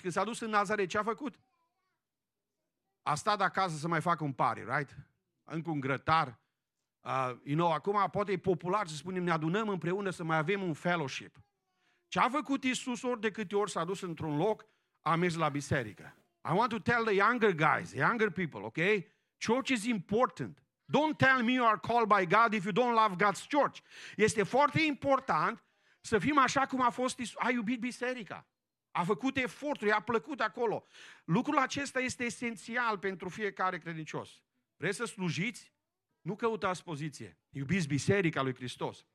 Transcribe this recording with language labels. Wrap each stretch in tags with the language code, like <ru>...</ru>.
<ro>Când s-a dus în Nazaret, ce a făcut? A stat acasă să mai facă un pari, right? Încă un grătar. Acum poate e popular să spunem, ne adunăm împreună să mai avem un fellowship. Ce a făcut Iisus ori de câte ori s-a dus într-un loc, a mers la biserică.</ro> <en>I want to tell the younger guys, the younger people, ok? Church is important. Don't tell me you are called by God if you don't love God's church.</en> <ro>Este foarte important să fim așa cum a fost Iisus. A iubit biserica. A făcut eforturi, i-a plăcut acolo. Lucrul acesta este esențial pentru fiecare credincios. Vreți să slujiți? Nu căutați poziție. Iubiți biserica lui Hristos.</ro>